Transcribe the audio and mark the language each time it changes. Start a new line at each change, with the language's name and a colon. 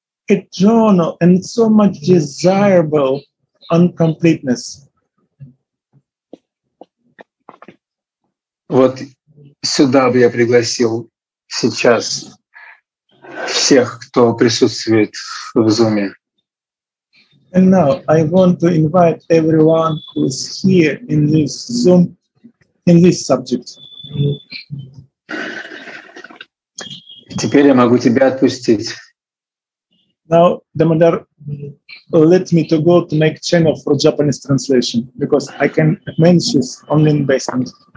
English: Eternal and so much desirable incompleteness.
Russian: Вот сюда бы я пригласил сейчас всех, кто присутствует в Zoom.
English: And now I want to invite everyone who is here in this Zoom, in this subject.
Russian: Теперь я могу тебя отпустить.
English: Now, Damodar, let me to go to make channel for Japanese translation, because I can manage this only in basement.